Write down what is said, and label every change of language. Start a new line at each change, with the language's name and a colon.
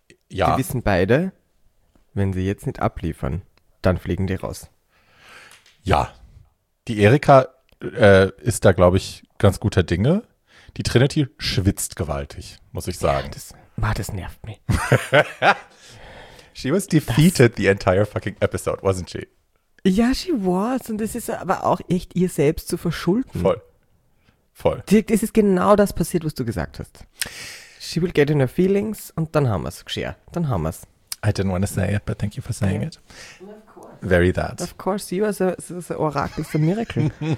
German: die wissen beide, wenn sie jetzt nicht abliefern, dann fliegen die raus. Ja, die Erika ist da, glaube ich, ganz guter Dinge. Die Trinity schwitzt gewaltig, muss ich sagen. Das nervt mich.
English: She was defeated the entire fucking episode, wasn't she? Ja, she was.
German: Und das ist aber auch echt ihr selbst zu verschulden. Voll. Voll. Dirk, es ist genau das passiert, was du gesagt hast.
English: She will get in her feelings
German: und dann haben wir es. Geschirr. Dann haben wir es.
English: I didn't want to say it, but thank you for saying it. Very that. Of course, you are the oracle, the miracle.